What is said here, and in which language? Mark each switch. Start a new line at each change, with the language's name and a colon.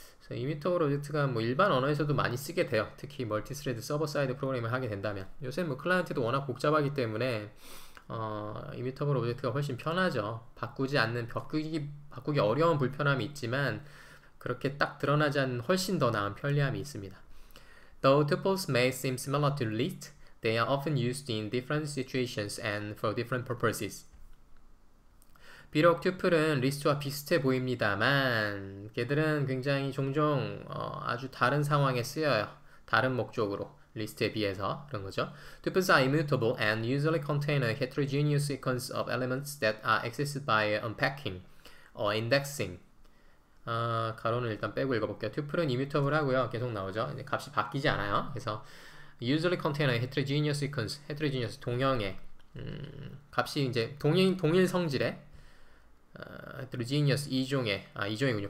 Korean: 이뮤터블 오브젝트가 뭐 일반 언어에서도 많이 쓰게 돼요. 특히 멀티스레드 서버 사이드 프로그램을 하게 된다면. 요새 뭐 클라이언트도 워낙 복잡하기 때문에 이뮤터블 오브젝트가 훨씬 편하죠. 바꾸기 어려운 불편함이 있지만 그렇게 딱 드러나지 않는 훨씬 더 나은 편리함이 있습니다.
English: Though tuples may seem similar to lit, they are often used in different situations and for different purposes.
Korean: 비록 튜플은 리스트와 비슷해 보입니다만, 걔들은 굉장히 종종 아주 다른 상황에 쓰여요. 다른 목적으로 리스트에 비해서 그런 거죠.
English: Tuples are immutable and usually contain a heterogeneous sequence of elements that are accessed by unpacking or indexing.
Korean: 가로는 일단 빼고 읽어볼게요. 튜플은 이뮤터블하고요. 계속 나오죠. 이제 값이 바뀌지 않아요. 그래서
English: usually contain a heterogeneous sequence,
Korean: heterogeneous 동형의 값이 이제 동일 성질의 heterogeneous 이종이군요.